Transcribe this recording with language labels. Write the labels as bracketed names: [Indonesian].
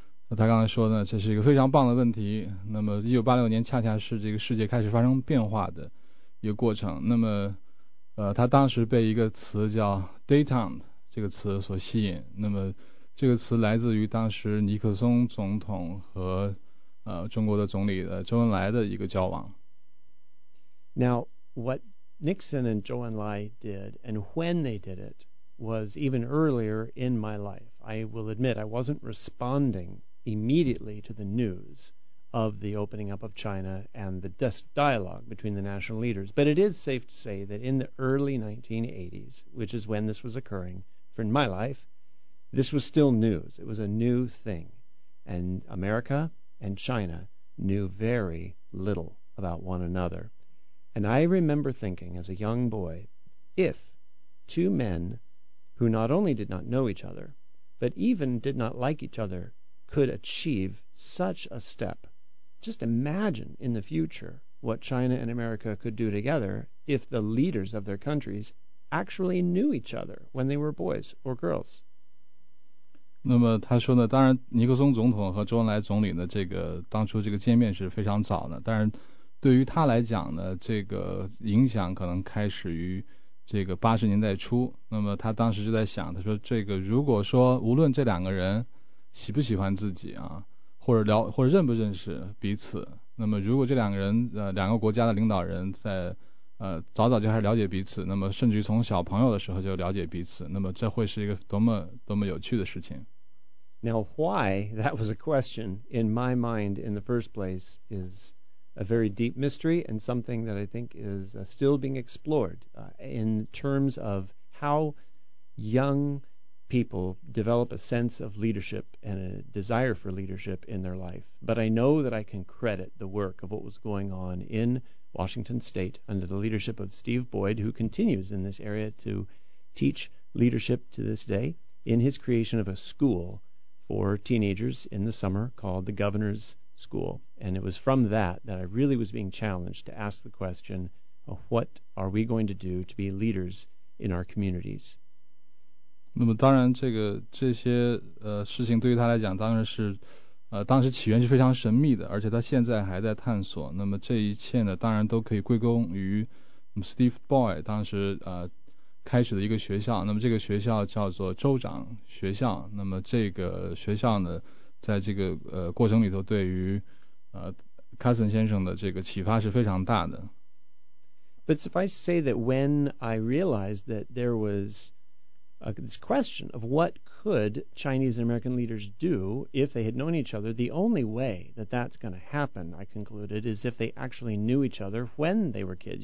[Chinese] 他刚才说呢，这是一个非常棒的问题。那么1986年恰恰是这个世界开始发生变化的一个过程。那么他当时被一个词叫 détente 这个词所吸引。那么这个词来自于当时尼克松总统和中国的总理周恩来的一个交往。 [English] Now, what Nixon and Zhou Enlai did, and when they did it, was even earlier in my life. I will admit, I wasn't responding immediately to the news of the opening up of China and the dialogue between the national leaders. But it is safe to say that in the early 1980s, which is when this was occurring for in my life, this was still news. It was a new thing. And America and China knew very little about one another. And I remember thinking as a young boy, if two men who not only did not know each other, but even did not like each other, could achieve such a step, just imagine in the future what China and America could do together if the leaders of their countries actually knew each other when they were boys or girls. [Chinese] 那么他说呢，当然尼克松总统和周恩来总理呢，这个当初这个见面是非常早的，但是对于他来讲呢，这个影响可能开始于这个80年代初。那么他当时就在想，他说这个如果说无论这两个人喜不喜欢自己啊，或者认不认识彼此，那么如果这两个人两个国家的领导人在早早就开始了解彼此，那么甚至于从小朋友的时候就了解彼此，那么这会是一个多么有趣的事情。 [English] Now why that was a question in my mind in the first place is. A very deep mystery and something that I think is still being explored in terms of how young people develop a sense of leadership and a desire for leadership in their life. But I know that I can credit the work of what was going on in Washington State under the leadership of Steve Boyd, who continues in this area to teach leadership to this day, in his creation of a school for teenagers in the summer called the Governor's School. And it was from that that I really was being challenged to ask the question, what are we going to do to be leaders in our communities? [Chinese] 那么当然这些事情对于他来讲当然是当时起源是非常神秘的，而且他现在还在探索。那么这一切呢，当然都可以归功于 Steve Boyd 当时开始的一个学校。那么这个学校叫做州长学校。那么这个学校呢，在这个过程里头对于Cousin 先生的这个启发是非常大的。 [English] But suffice to say that when I realized that there was this question of what could Chinese and American leaders do if they had known each other, the only way that that's going to happen, I concluded, is if they actually knew each other when they were kids.